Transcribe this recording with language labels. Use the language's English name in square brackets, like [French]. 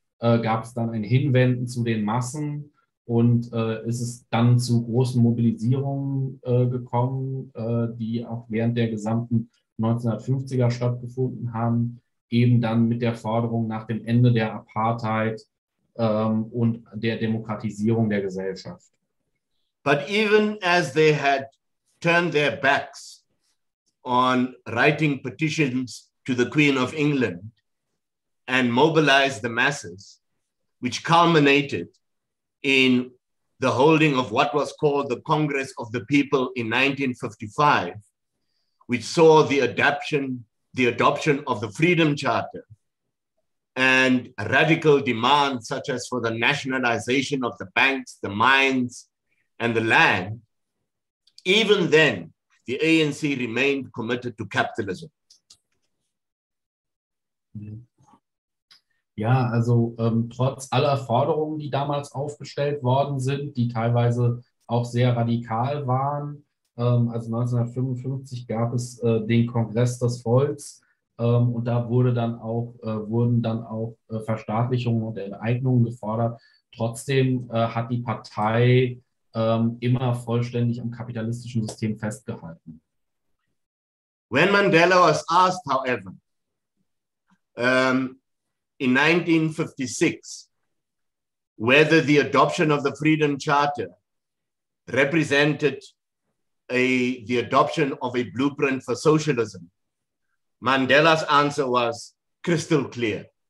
[German] gab es dann ein Hinwenden zu den Massen und ist es dann zu großen Mobilisierungen gekommen, die auch während der gesamten 1950er stattgefunden haben, eben dann mit der Forderung nach dem Ende der Apartheid und der Demokratisierung der Gesellschaft. [English] But even as they had turned their backs on writing petitions to the Queen of England and mobilized the masses, which culminated in the holding of what was called the Congress of the People in 1955, which saw the adoption of the Freedom Charter and radical demands such as for the nationalization of the banks, the mines, and the land, even then, the ANC remained committed to capitalism. [German] Ja, also trotz aller Forderungen, die damals aufgestellt worden sind, die teilweise auch sehr radikal waren, also 1955 gab es den Kongress des Volks und da wurden dann auch Verstaatlichungen und Enteignungen gefordert. Trotzdem hat die Partei immer vollständig am kapitalistischen System festgehalten. [English] When Mandela was asked, however, in 1956, whether the adoption of the Freedom Charter represented the adoption of a blueprint for socialism, Mandela's answer was crystal clear.